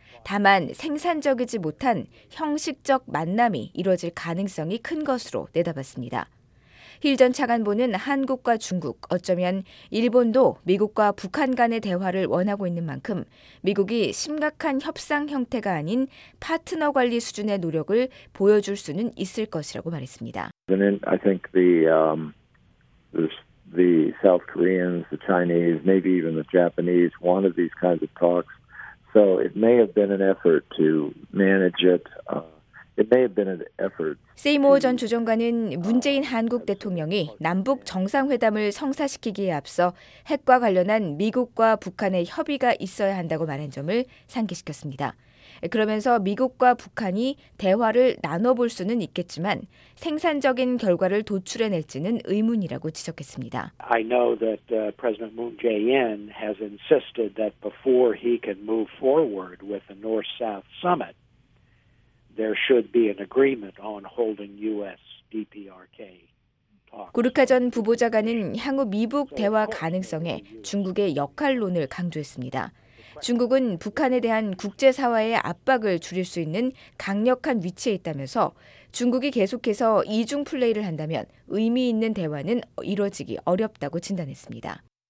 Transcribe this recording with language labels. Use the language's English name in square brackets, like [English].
[Korean] 다만 생산적이지 못한 형식적 만남이 이루어질 가능성이 큰 것으로 내다봤습니다. 힐 전 차관보는 한국과 중국, 어쩌면 일본도 미국과 북한 간의 대화를 원하고 있는 만큼 미국이 심각한 협상 형태가 아닌 파트너 관리 수준의 노력을 보여줄 수는 있을 것이라고 말했습니다. [English] I think the South Koreans, the Chinese, maybe even the Japanese wanted these kinds of talks. So it may have been an effort to manage it. It may have been an effort. [Korean] 세이모 전 주정관은 문재인 한국 대통령이 남북 정상회담을 성사시키기에 앞서 핵과 관련한 미국과 북한의 협의가 있어야 한다고 말한 점을 상기시켰습니다. 그러면서 미국과 북한이 대화를 나눠볼 수는 있겠지만 생산적인 결과를 도출해낼지는 의문이라고 지적했습니다. [English] I know that President Moon Jae-in has insisted that before he can move forward with the North-South Summit, there should be an agreement on holding U.S. DPRK talks. [Korean] 구르카 전 부보좌관은 향후 미북 대화 가능성에 중국의 역할론을 강조했습니다. 중국은 북한에 대한 국제사회의 압박을 줄일 수 있는 강력한 위치에 있다면서 중국이 계속해서 이중 플레이를 한다면 의미 있는 대화는 이루어지기 어렵다고 진단했습니다.